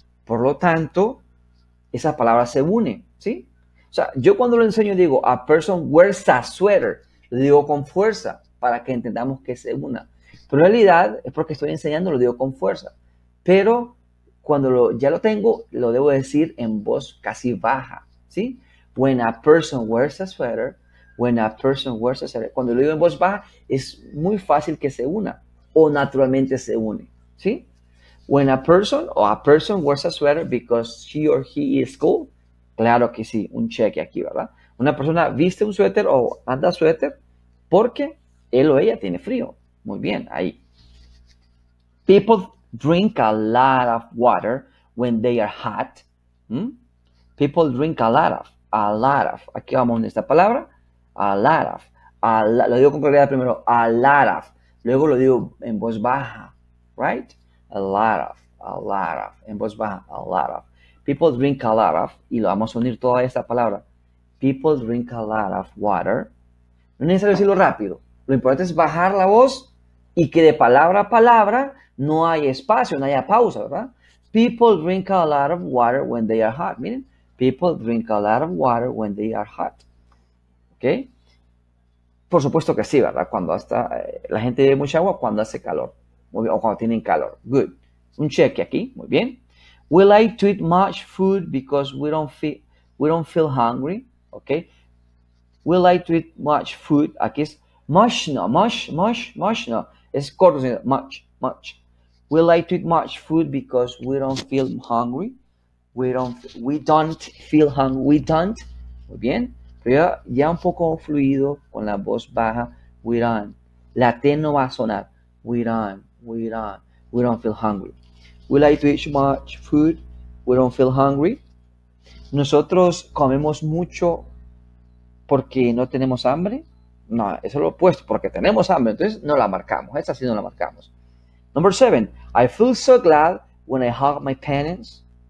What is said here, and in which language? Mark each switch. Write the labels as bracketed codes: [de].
[es] Por lo tanto, esa palabra se une, ¿sí? O sea, yo cuando lo enseño digo, [en] a person wears a sweater, [es] le digo con fuerza, para que entendamos que es una. Pero en realidad, es porque estoy enseñando, lo digo con fuerza. Pero cuando ya lo tengo, lo debo decir en voz casi baja. ¿Sí? [en] When a person wears a sweater, when a person wears a sweater. [es] Cuando lo digo en voz baja, es muy fácil que se una. O naturalmente se une. ¿Sí? [en] When a person or a person wears a sweater because she or he is cold. [es] Claro que sí. Un cheque aquí, ¿verdad? Una persona viste un suéter o anda suéter porque él o ella tiene frío. Muy bien, ahí. [en] People drink a lot of water when they are hot. ¿Mm? People drink a lot of. A lot of. [es] Aquí vamos en esta palabra. [en] A lot of. [es] Lo digo con claridad primero. [en] A lot of. [es] Luego lo digo en voz baja. [en] Right? A lot of. A lot of. [es] En voz baja. [en] A lot of. People drink a lot of. [es] Y lo vamos a unir toda esta palabra. [en] People drink a lot of water. [es] No es necesario decirlo rápido. Lo importante es bajar la voz y que de palabra a palabra no haya espacio, no haya pausa, ¿verdad? [en] People drink a lot of water when they are hot. [es] Miren, [en] people drink a lot of water when they are hot. [es] ¿Ok? Por supuesto que sí, ¿verdad? Cuando hasta la gente bebe mucha agua, cuando hace calor. Muy bien, o cuando tienen calor. Good. Un cheque aquí. Muy bien. [en] We like to eat much food because we don't feel hungry. ¿Ok? We like to eat much food. [es] Aquí es much no, much no. Es corto, much. [en] We like to eat much food because we don't feel hungry. We don't. [es] Muy bien. Pero ya un poco fluido con la voz baja. [en] We don't. [es] La T no va a sonar. [en] We don't feel hungry. We like to eat much food. We don't feel hungry. [es] Nosotros comemos mucho porque no tenemos hambre. No, eso es lo opuesto, porque tenemos hambre, entonces no la marcamos. Esa sí no la marcamos. [en] Number seven. I feel so glad when I hug my parents.